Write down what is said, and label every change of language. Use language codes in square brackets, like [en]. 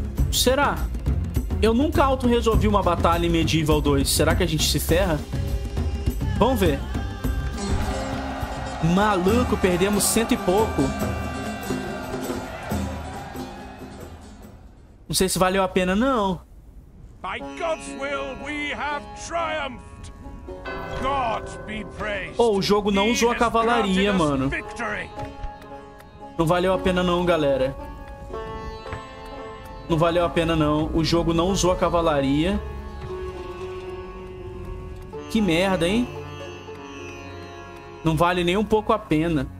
[pt] Será? Eu nunca auto-resolvi uma batalha em Medieval 2. Será que a gente se ferra? Vamos ver. Maluco, perdemos 100 e pouco. Não sei se valeu a pena, não. [en] By God's will, we have triumphed. God be praised. [pt] Oh, o jogo não usou a cavalaria, mano. Não valeu a pena, não, galera. Não valeu a pena, não. O jogo não usou a cavalaria. Que merda, hein? Não vale nem um pouco a pena.